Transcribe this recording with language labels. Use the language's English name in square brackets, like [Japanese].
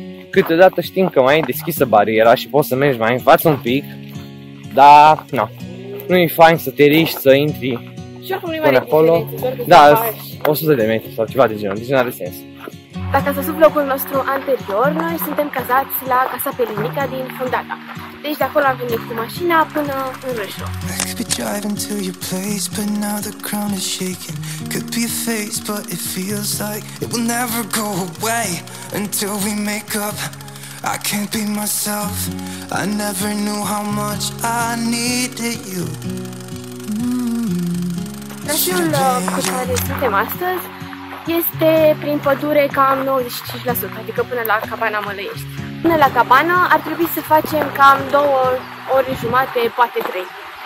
[Romanian] Câteodată știm că mai e deschisă bariera și poți să mergi mai în față un pic, dar nu e fain să te riști, să intri până acolo. Da, 100 de metri sau ceva de genul, deci nu are sens. Dacă să sub locul nostru anterior, noi suntem cazați la Casa Pelinica din Fundata. Deci de acolo am venit cu mașina până în Râșnov. [English] Driving to your place, but now the ground is shaking. Could be a phase, but it feels like it will never go away until we make up. I can't be myself. I never knew how much I needed you. [Romanian] Traseul cu care suntem astăzi este prin pădure cam 95%, adică până la cabana Mălăiești. Până la cabana ar trebui să facem cam 2 ore jumate, poate 3.